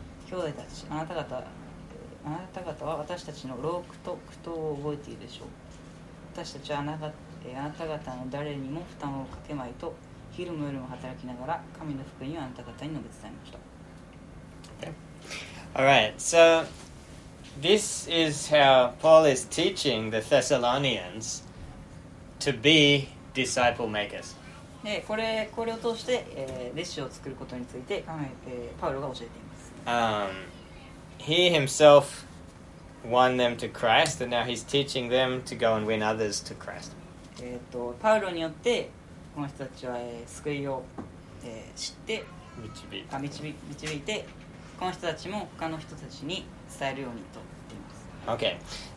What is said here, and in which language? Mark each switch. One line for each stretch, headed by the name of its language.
Japanese: 兄弟たち、あなた方は私たちの労苦と苦闘を覚えているでしょう。私たちはあなた方の誰にも負担をかけまいと、昼も夜も働きながら神の福音をあなた方に述べ伝えました。
English: Okay. All right. So this is how Paul is teaching the Thessalonians to be disciple makers.
Japanese: で、これを通して、弟子を作ることについて、パウロが教えています。
English: He himself won them to Christ, and now he's teaching them to go and win others to Christ.
Japanese: パウロによってこの人たちは、救いを、知って導いてこの人たちも他の人たちに伝えるようにと言っています。